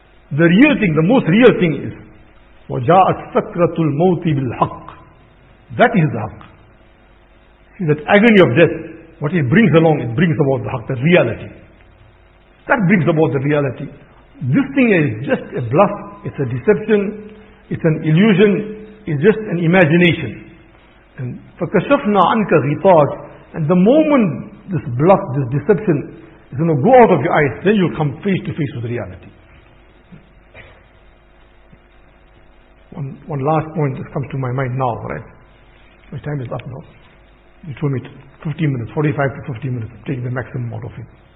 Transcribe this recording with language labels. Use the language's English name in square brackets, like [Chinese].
[English] The real thing, the most real thing is, [Arabic] وَجَاءَتْ سَكْرَةُ الْمَوْتِ بِالْحَقِّ. [English] That is the haqq. See, that agony of death, what it brings along, it brings about the haqq, the reality. That brings about the reality. This thing is just a bluff, it's a deception, it's an illusion, it's just an imagination. [Arabic] And فَكَشَفْنَا عَنْكَ غِطَاكَ. [English] And the moment this bluff, this deception is going to go out of your eyes, then you'll come face to face with reality. One last point that comes to my mind now, right? My time is up now. You told me 45 to 50 minutes, take the maximum out of it.